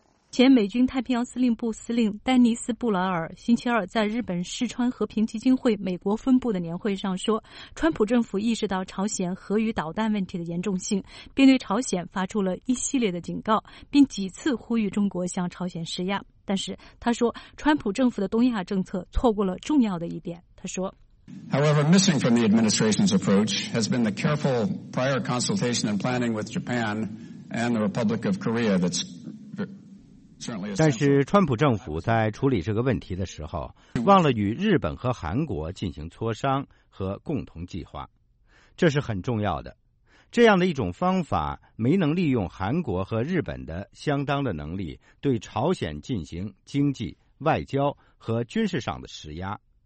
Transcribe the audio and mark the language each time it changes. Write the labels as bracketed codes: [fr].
[zh] 前美军太平洋司令部司令丹尼斯·布莱尔星期二在日本世川和平基金会美国分部的年会上说，川普政府意识到朝鲜核与导弹问题的严重性，并对朝鲜发出了一系列的警告，并几次呼吁中国向朝鲜施压。但是他说，川普政府的东亚政策错过了重要的一点。他说， [en] However, missing from the administration's approach has been the careful prior consultation and planning with Japan and the Republic of Korea that's... [zh] 但是川普政府在处理这个问题的时候忘了与日本和韩国进行磋商和共同计划，这是很重要的。这样的一种方法没能利用韩国和日本的相当的能力对朝鲜进行经济、外交和军事上的施压。